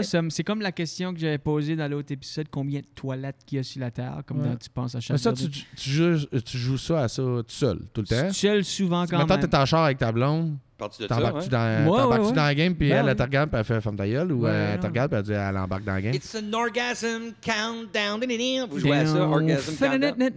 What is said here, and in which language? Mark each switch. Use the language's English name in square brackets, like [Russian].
[French] C'est comme la question que j'avais posée dans l'autre épisode, combien de toilettes qu'il y a sur la Terre, tu penses à chaque... Mais ça, tu joues ça à ça tout seul, tout le temps? Tout seul, souvent, quand même. Maintenant, t'es en char avec ta blonde... T'embarques-tu dans la game, puis elle te regarde, puis elle fait femme ta gueule, ou elle te regarde, puis elle embarque dans la game. [English] It's an orgasm countdown. [French] Vous jouez à ça, [English] orgasm countdown.